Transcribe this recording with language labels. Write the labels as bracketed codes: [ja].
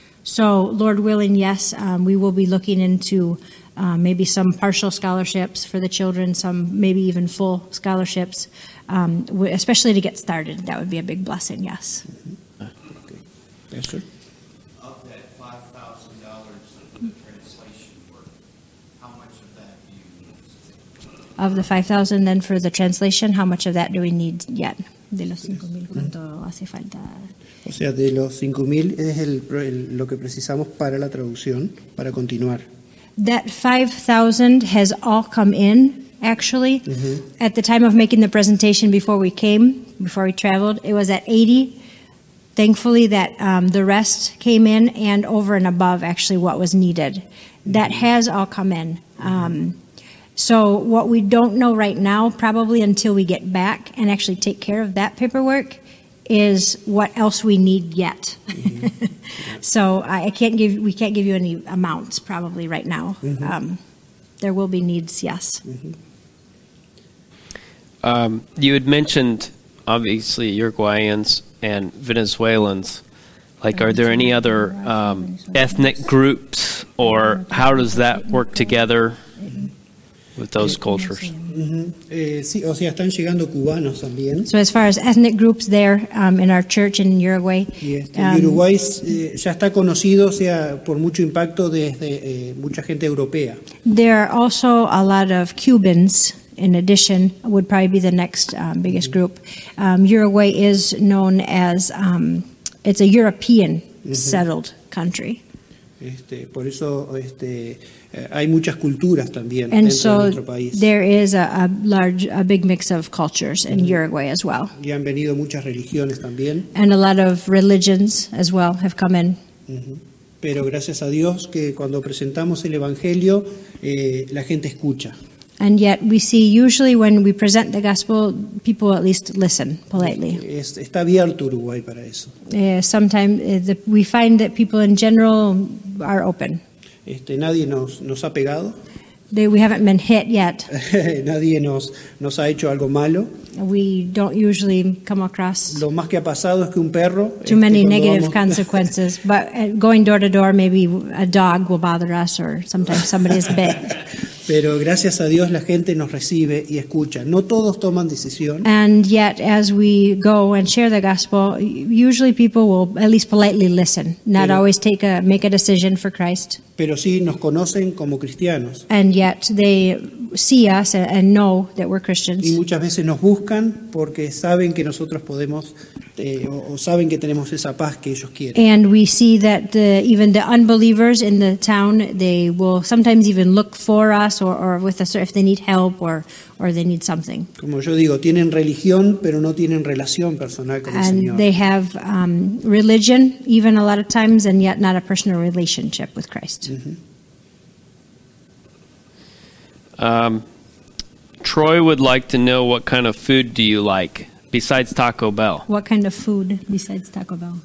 [en] So Lord willing, yes, we will be looking into maybe some partial scholarships for the children, some maybe even full scholarships, especially to get started. That would be a big blessing, yes. Okay. Yes, sir. Of the $5,000, then for the translation, how much of that do we need yet? [es] De los 5,000, ¿cuánto hace falta? O sea, de los 5,000 es lo que precisamos para la traducción, para continuar. [en] That $5,000 has all come in, actually. At the time of making the presentation before we came, before we traveled, it was at 80. Thankfully, that the rest came in and over and above, actually, what was needed. That has all come in. So what we don't know right now, probably until we get back and actually take care of that paperwork, is what else we need yet. So we can't give you any amounts probably right now. There will be needs, yes. You had mentioned, obviously, Uruguayans and Venezuelans. Like, are there any other ethnic groups, or how does that work together? With those cultures. [es] Sí, o sea, están llegando cubanos también. [en] So as far as ethnic groups there in our church in Uruguay. [es] Uruguay ya está conocido, o sea, por mucho impacto desde mucha gente europea. [en] There are also a lot of Cubans, in addition, would probably be the next biggest group. Uruguay is known as, it's a European settled country. [es] Por eso hay muchas culturas también [en] and [es] dentro [en] so [es] de nuestro país. [en] There is a big mix of cultures in Uruguay as well. [es] Y han venido muchas religiones también. [en] And a lot of religions as well have come in. [es] Pero gracias a Dios que cuando presentamos el evangelio la gente escucha. [en] And yet we see usually when we present the gospel, people at least listen politely. [es] Está abierto Uruguay para eso. [en] Sometimes we find that people in general are open. [es] Nadie nos ha pegado. [en] We haven't been hit yet. [es] Nadie nos ha hecho algo malo. [en] We don't usually come across [es] lo más que ha pasado es que un perro, [en] too many negative consequences. But going door to door, maybe a dog will bother us or sometimes somebody is bit. [es] Pero gracias a Dios la gente nos recibe y escucha. No todos toman decisión. [en] And yet, as we go and share the gospel, usually people will at least politely listen, not always make a decision for Christ. [es] Pero sí nos conocen como cristianos. [en] And yet they see us and know that we're Christians. [es] Y muchas veces nos buscan porque saben que nosotros podemos o saben que tenemos esa paz que ellos quieren. [en] And we see that the, even the unbelievers in the town, they will sometimes even look for us or with us if they need help or they need something. [es] Como yo digo, tienen religión, pero no tienen relación personal con el [en] and [es] Señor. [en] And they have religion even a lot of times and yet not a personal relationship with Christ. Mm-hmm. Troy would like to know, what kind of food do you like besides Taco Bell? What kind of food besides Taco Bell?